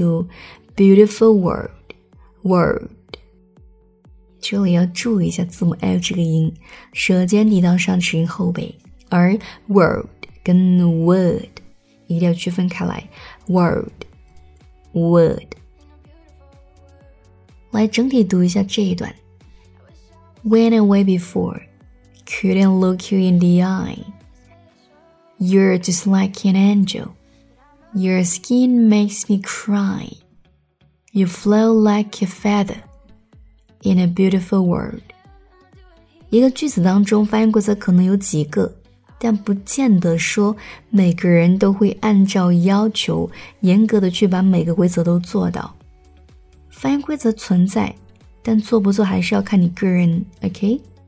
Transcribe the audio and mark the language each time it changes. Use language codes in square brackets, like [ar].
[en] In a beautiful world, [zh] 这里要注意一下字母 L 这个音，舌尖抵到上齿龈后背，而 world 跟 word 一定要区分开来。 [en] Word， [zh] 来整体读一下这一段 [en] ：Went away before, couldn't look you in the eye. You're just like an angel. Your skin makes me cry. You flow like a feather in a beautiful world. [zh] 一个句子当中发音规则可能有几个，但不见得说每个人都会按照要求严格的去把每个规则都做到。发音规则存在，但做不做还是要看你个人。OK，